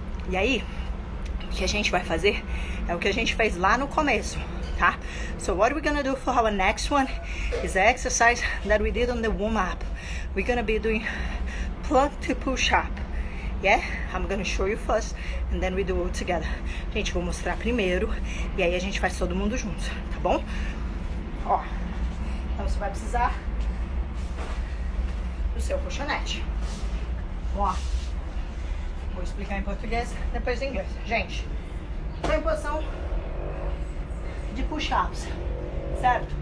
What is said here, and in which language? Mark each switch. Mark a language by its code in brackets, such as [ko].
[pt] E aí, o que a gente vai fazer é o que a gente fez lá no começo, tá? [en] So what we're gonna do for our next one is the exercise that we did on the warm-up. We're gonna be doing plank to push-up. Yeah? I'm gonna show you first and then we do it together. [pt] Gente, vou mostrar primeiro e aí a gente faz todo mundo junto, tá bom? Ó, então você vai precisar do seu colchonete. Ó, vou explicar em português, depois em inglês. Gente, tá em posição de push-ups, certo?